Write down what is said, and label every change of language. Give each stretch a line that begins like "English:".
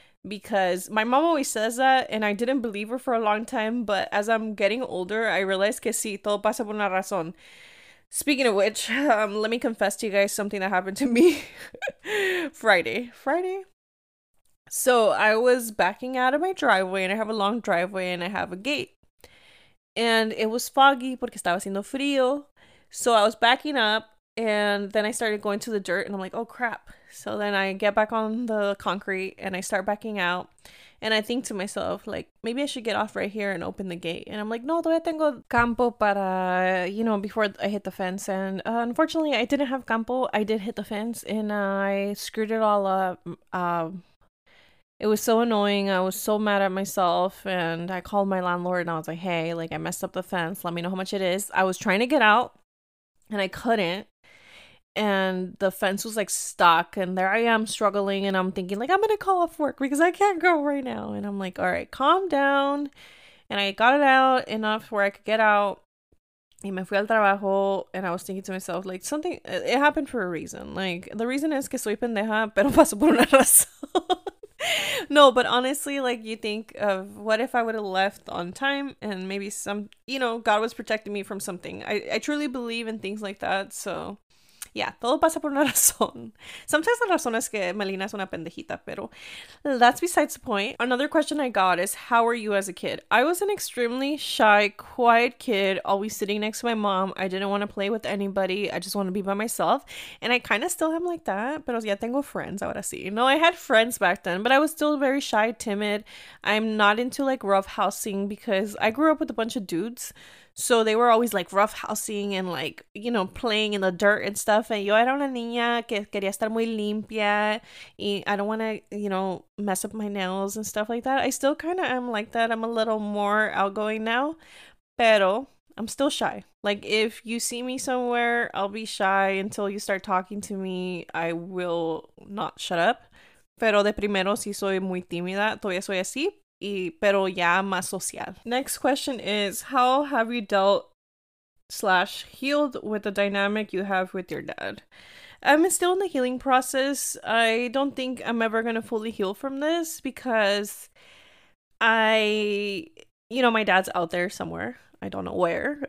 English: Because my mom always says that, and I didn't believe her for a long time, but as I'm getting older, I realize
Spanish: que sí, todo pasa por una razón.
English: Speaking of which, let me confess to you guys something that happened to me Friday. So I was backing out of my driveway, and I have a long driveway, and I have a gate. And it was foggy
Spanish: porque estaba haciendo frío.
English: So I was backing up, and then I started going to the dirt, and I'm like, oh, crap. So then I get back on the concrete and I start backing out. And I think to myself, like, maybe I should get off right here and open the gate. And I'm like, no,
Spanish: todavía tengo campo para,
English: you know, before I hit the fence. And unfortunately, I didn't have campo. I did hit the fence and I screwed it all up. It was so annoying. I was so mad at myself. And I called my landlord and I was like, hey, like, I messed up the fence. Let me know how much it is. I was trying to get out and I couldn't. And the fence was, like, stuck. And there I am struggling. And I'm thinking, like, I'm going to call off work because I can't go right now. And I'm like, all right, calm down. And I got it out enough where I could get out.
Spanish: Y me fui al trabajo.
English: And I was thinking to myself, like, something, it happened for a reason. Like, the reason is
Spanish: que soy pendeja, pero paso por una razón.
English: No, but honestly, like, you think of what if I would have left on time and maybe some, you know, God was protecting me from something. I truly believe in things like that, so.
Spanish: Yeah, todo pasa por una razón.
English: Sometimes the
Spanish: razón es que Melina es una pendejita, pero
English: that's besides the point. Another question I got is, how were you as a kid? I was an extremely shy, quiet kid, always sitting next to my mom. I didn't want to play with anybody. I just want to be by myself. And I kind of still am like that,
Spanish: pero ya tengo friends ahora sí.
English: No, I had friends back then, but I was still very shy, timid. I'm not into, like, roughhousing because I grew up with a bunch of dudes. So they were always, like, roughhousing and, like, you know, playing in the dirt and stuff.
Spanish: And yo era una niña que quería estar muy limpia.
English: Y I don't want to, you know, mess up my nails and stuff like that. I still kind of am like that. I'm a little more outgoing now. Pero I'm still shy. Like, if you see me somewhere, I'll be shy until you start talking to me. I will not shut up.
Spanish: Pero de primero sí soy muy tímida. Todavía soy así. Y, pero ya más social.
English: Next question is, how have you dealt / healed with the dynamic you have with your dad? I'm still in the healing process. I don't think I'm ever going to fully heal from this because I, you know, my dad's out there somewhere. I don't know where.